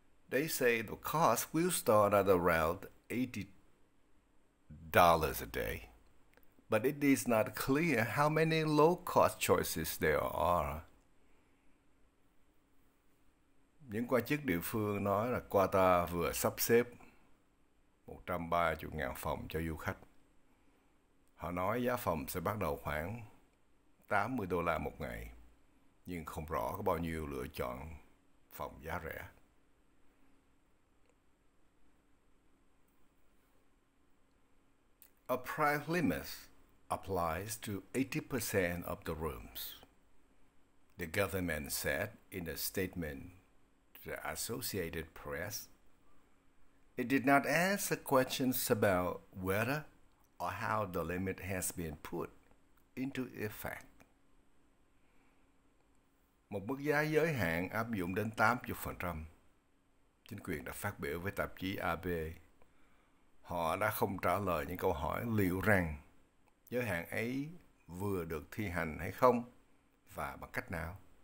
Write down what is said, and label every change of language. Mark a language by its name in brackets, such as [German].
[English] They say the cost will start at around $80 a day, but it is not clear how many low-cost choices there are. [Vietnamese] Những quan chức địa phương nói là Qatar vừa sắp xếp 130.000 phòng cho du khách. Họ nói giá phòng sẽ bắt đầu khoảng $80 một ngày, nhưng không rõ có bao nhiêu lựa chọn phòng giá rẻ. [English] A price limit applies to 80% of the rooms, the government said in a statement to the Associated Press. It did not answer questions about whether or how the limit has been put into effect. [Vietnamese] Một mức giá giới hạn áp dụng đến 80%, chính quyền đã phát biểu với tạp chí AP. Họ đã không trả lời những câu hỏi liệu rằng giới hạn ấy vừa được thi hành hay không và bằng cách nào.